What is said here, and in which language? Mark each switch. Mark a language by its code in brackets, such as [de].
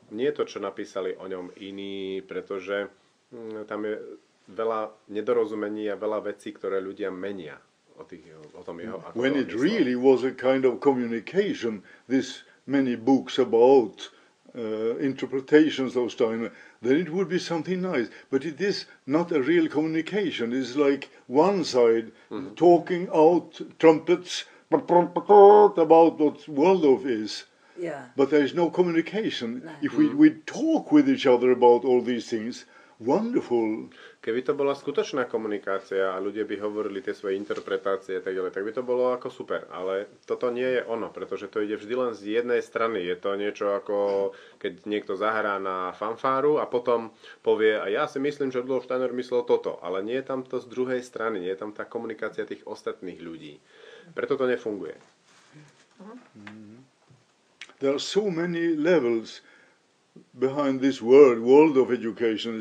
[sk] Nie to, čo napísali o ňom iní, pretože tam je veľa nedorozumení a veľa vecí, ktoré ľudia menia o tom jeho. [en] When it really was a kind of communication, this many books about interpretations of Steiner, then it would be something nice. But it is not a real communication. It's like one side talking out trumpets about what Waldorf is. Yeah. But there is no communication. No. If we talk with each other about all these things, wonderful. [sk] Keby to bola skutočná komunikácia a ľudia by hovorili tie svoje interpretácie a tak ďalej, tak by to bolo ako super. Ale toto nie je ono, pretože to ide vždy len z jednej strany. Je to niečo ako keď niekto zahrá na fanfáru a potom povie a ja si myslím, že Rudolf Steiner myslel toto. Ale nie je tam to z druhej strany. Nie je tam tá komunikácia tých ostatných ľudí. Preto to nefunguje. [en] There are so many levels behind this world of education.